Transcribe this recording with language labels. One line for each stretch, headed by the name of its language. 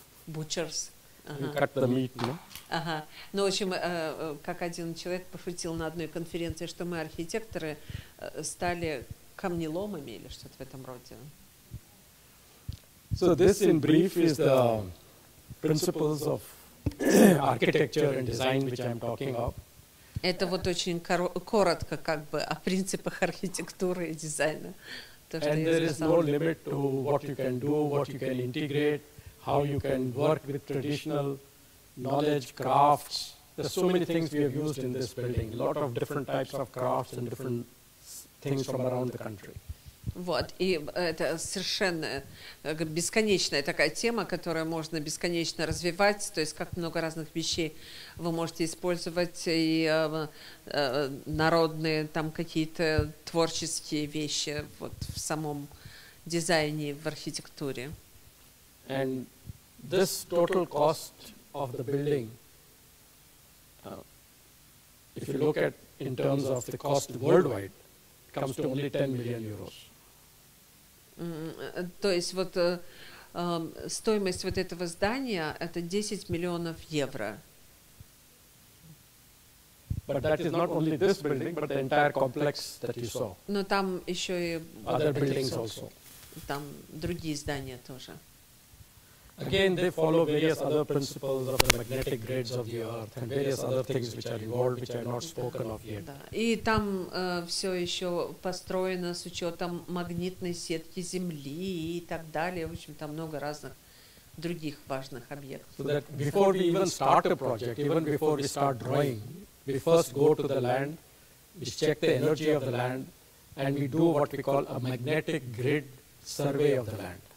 English: Butchers. Cut the meat, no?
Russian: Ну, в общем, как один человек пошутил на одной конференции, что мы, архитекторы, стали камнеломами или что-то в этом роде.
English: So this, in brief, is the principles of architecture and design, which I'm talking of.
Russian: Это вот очень коротко, как бы, о принципах архитектуры и дизайна.
English: And there is no limit to what you can do, what you can integrate, how you can work with traditional knowledge, crafts. There's so many things we have used in this building. A lot of different types of crafts and different things from around the country.
Russian: Вот, и это совершенно бесконечная такая тема, которую можно бесконечно развивать, то есть как много разных вещей вы можете использовать, и народные там какие-то творческие вещи вот в самом дизайне, в архитектуре.
English: And this total cost of the building, if you look at in terms of the cost worldwide, comes to only 10 million euros.
Russian: То есть вот стоимость вот этого здания это 10 миллионов евро.
English: But that is not only this building, but the entire complex that you saw.
Russian: Но там еще и
English: other buildings also.
Russian: Там другие здания тоже.
English: Again, they follow various other principles of the magnetic grids of the earth and various other things which are involved, which are not spoken of yet.
Russian: И там все еще построено с учетом магнитной сетки Земли и так далее. В общем, там много разных других важных объектов.
English: So that before we even start a project, even before we start drawing, we first go to the land, we check the energy of the land, and we do what we call a magnetic grid survey of the land.